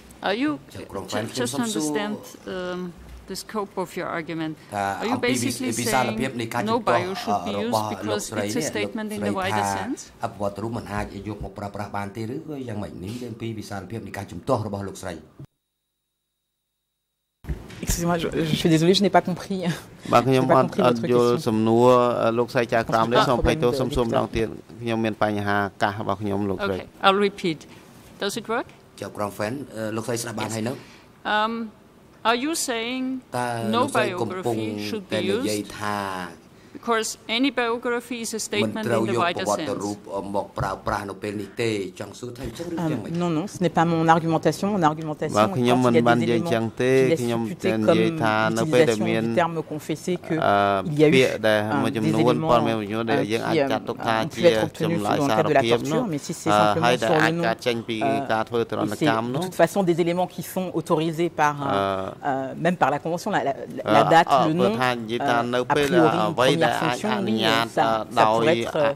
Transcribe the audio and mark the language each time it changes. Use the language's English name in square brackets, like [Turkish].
[English] Are you just understand the scope of your argument? Are you basically saying no bio should be used because it's a statement in the wider sense? [Khmer] អពវត្តរូបមិនអាចយកមកប្រើប្រាស់បានទេឬក៏យ៉ាងម៉េចនេះយើងពីវិសាលភាពនៃការជំទាស់របស់លោកស្រី [French] Excusez-moi, je suis désolé, je n'ai pas compris. [Khmer] បាទខ្ញុំអត់យល់សំណួរលោកស្រីចាក្រោមនេះសូមអភ័យទោសសូមសួរម្ដងទៀតខ្ញុំមានបញ្ហាកាសរបស់ខ្ញុំលោកស្រី [English] Okay, I'll repeat. Does it work? [Khmer] ចាក្រោមហ្វែនលោកស្រីស្ដាប់បានហើយនៅ [English] Are you saying no biography should be used? Because any biography is a statement in the wider sense. [French] Non, ce n'est pas mon argumentation. Mon argumentation est qu'il y a des éléments qui laissent supputer comme l'utilisation du terme confessé qu'il y a eu des éléments qui ont pu être obtenus dans le cadre de la torture, mais si c'est simplement sur le nom, c'est de toute façon des éléments qui sont autorisés par, même par la convention, la date, le nom, a priori,